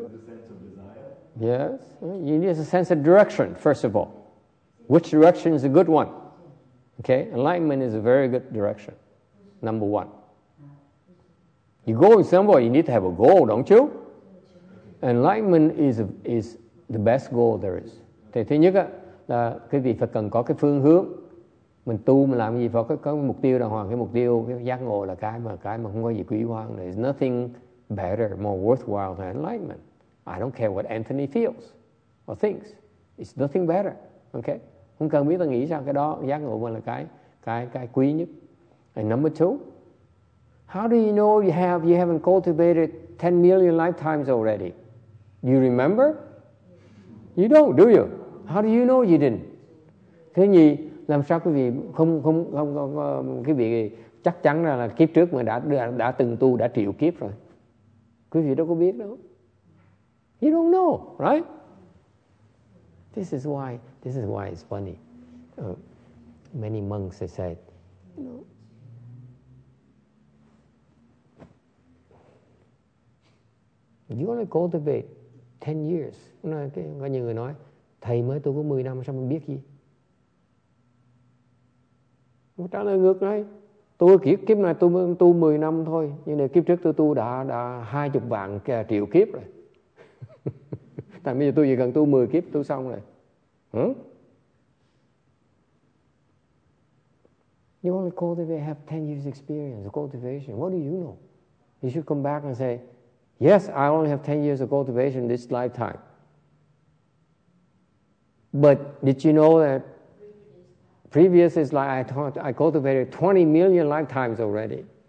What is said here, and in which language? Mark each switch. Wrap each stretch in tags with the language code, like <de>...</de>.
<en>With a sense of desire. Yes. You need a sense of direction first of all. Which direction is a good one? Okay. Enlightenment is a very good direction. Number one, you go somewhere, you need to have a goal, don't you? Enlightenment is the best goal there is.</en> <vi>Thì thứ nhất á, là quý vị phải cần có cái phương hướng. Mình tu, mình làm gì, phải có mục tiêu đàng hoàng. Cái mục tiêu, cái giác ngộ là cái mà không có gì quý hoang.</vi> <en>There's nothing better, more worthwhile than enlightenment. I don't care what Anthony feels or thinks. It's nothing better, okay?</en> <vi>Không cần biết là nghĩ sao cái đó, giác ngộ mình là cái quý nhất.</vi> <en>And number two, how do you know you haven't cultivated 10 million lifetimes already? Do you remember? You don't, do you? How do you know you didn't?</en> <vi>Thứ nhì, làm sao quý vị không quý vị chắc chắn là kiếp trước mình đã từng tu, đã triệu kiếp rồi. Quý vị đâu có biết đâu.</vi> <en>You don't know, right? This is why it's funny. Many monks have said, you only cultivate 10 years.</en> <vi>Có nhiều người nói, thầy mới tu có 10 năm sao mình biết gì? Một trả lời ngược này, tôi kiếp này tôi mới tu 10 năm thôi, nhưng mà kiếp trước tôi tu đã 20 vạn triệu kiếp rồi. Tại bây giờ tôi chỉ cần tu 10 kiếp, tôi xong rồi.</vi> <en>You only cultivate, have 10 years experience of cultivation. What do you know? You should come back and say, yes, I only have 10 years of cultivation this lifetime. But did you know that previous is like I cultivated 20 million lifetimes already.</en>